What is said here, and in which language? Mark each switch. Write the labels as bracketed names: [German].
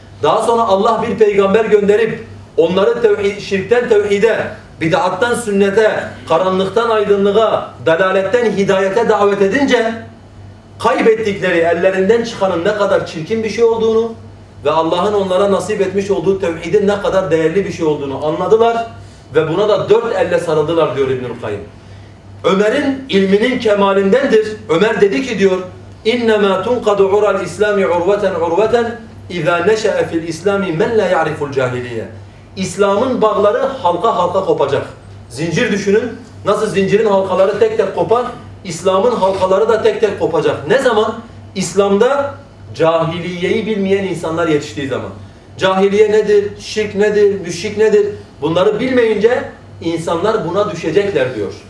[Turkish] Daha sonra Allah bir peygamber gönderip onları şirkten tevhide, bid'attan sünnete, karanlıktan aydınlığa, dalaletten hidayete davet edince kaybettikleri ellerinden çıkanın ne kadar çirkin bir şey olduğunu ve Allah'ın onlara nasip etmiş olduğu tevhidin ne kadar değerli bir şey olduğunu anladılar ve buna da dört elle sarıldılar diyor İbnül Kayyım. Ömer'in ilminin kemalindendir. Ömer dedi ki diyor, [Arabic] اِنَّمَا تُنْقَدُ عُرَى الْاِسْلَامِ عُرْوَةً عُرْوَةً اِذَا نَشَأَ فِي الْاِسْلَامِ مَنْ لَا يَعْرِفُ الْجَاهِلِيَ [Turkish] İslam'ın bağları halka halka kopacak. Zincir düşünün, nasıl zincirin halkaları tek tek kopar, İslam'ın halkaları da tek tek kopacak. Ne zaman? İslam'da cahiliyeyi bilmeyen insanlar yetiştiği zaman. Cahiliye nedir? Şirk nedir? Müşrik nedir? Bunları bilmeyince insanlar buna düşecekler diyor.